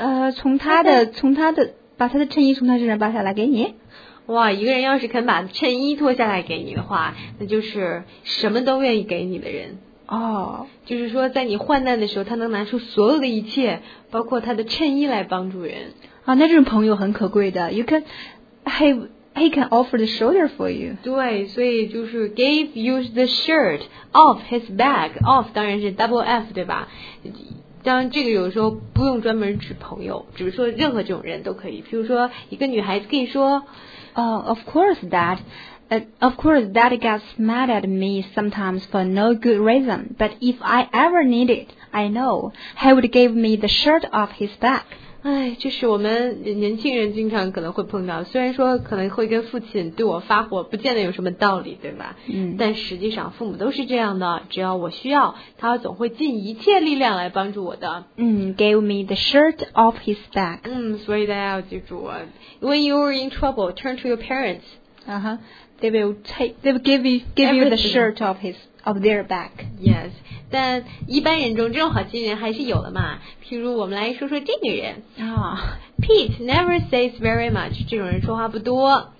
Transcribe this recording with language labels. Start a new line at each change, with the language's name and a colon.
Chinese: 从他的把他的衬衣从他身上扒下来给你。哇，一个人要是肯把衬衣脱下来给你的话，那就是什么都愿意给你的人哦。就是说在你患难的时候他能拿出所有的一切包括他的衬衣来帮助人啊，那这种朋友很可贵的。
English: You can he can offer the shoulder for you.
Chinese: 对，所以就是
English: gave you the shirt off his back.
Chinese: Off 当然是 double F 对吧，当然这个有时候不用专门指朋友，只是说任何这种人都可以。比如说一个女孩子可以说
English: Of course that gets mad at me sometimes for no good reason, but if I ever need it, I know he would give me the shirt off his back.
Chinese: 哎，就是我们年轻人经常可能会碰到，虽然说可能会跟父亲对我发火不见得有什么道理对吧，嗯，但实际上父母都是这样的，只要我需要他总会尽一切力量来帮助我的。
English: 嗯， gave me the shirt off his back.
Chinese: 嗯，所以大家要记住，
English: when you are in trouble, turn to your parents. They will give you the shirt off their back. Yes.
Chinese: 但一般人中这种好心人还是有的嘛，譬如我们来说说这个人
English: Pete never says very much,
Chinese: 这种人说话不多。